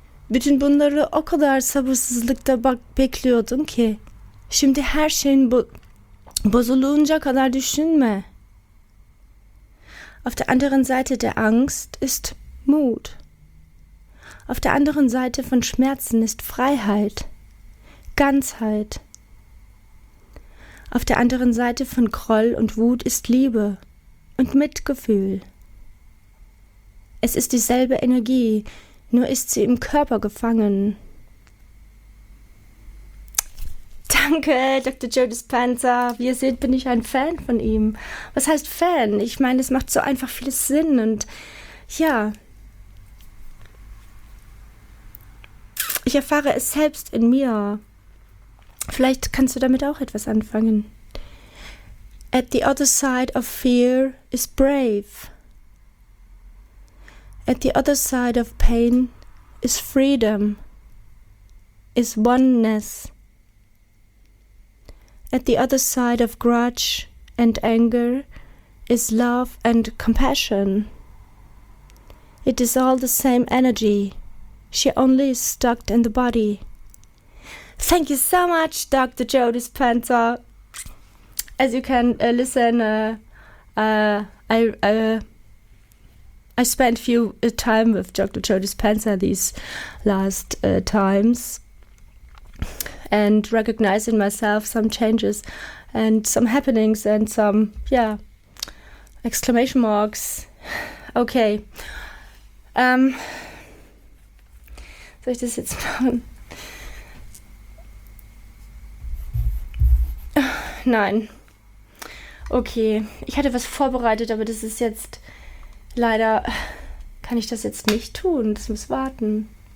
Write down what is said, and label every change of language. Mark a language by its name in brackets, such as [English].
[Turkish] Bütün bunları o kadar sabırsızlıkla bekliyordum ki. Şimdi her şeyin bozuluncaya kadar düşünme. [German] Auf der anderen Seite der Angst ist Mut. Auf der anderen Seite von Schmerzen ist Freiheit, Ganzheit. Auf der anderen Seite von Groll und Wut ist Liebe und Mitgefühl. Es ist dieselbe Energie, nur ist sie im Körper gefangen. Danke, Dr. Joe Dispenza. Wie ihr seht, bin ich ein Fan von ihm. Was heißt Fan? Ich meine, es macht so einfach vieles Sinn und ja. Ich erfahre es selbst in mir. Vielleicht kannst du damit auch etwas anfangen. [English] At the other side of fear is brave. At the other side of pain is freedom, is oneness. At the other side of grudge and anger is love and compassion. It is all the same energy. She only is stuck in the body. Thank you so much, Dr. Joe Dispenza. As you can listen, I spent few time with Dr. Joe Dispenza these last times, and recognizing myself some changes and some happenings and some exclamation marks. Okay. [German] Soll ich das jetzt machen? Nein. Okay. Ich hatte was vorbereitet, aber das ist jetzt leider, kann ich das jetzt nicht tun. Das muss warten.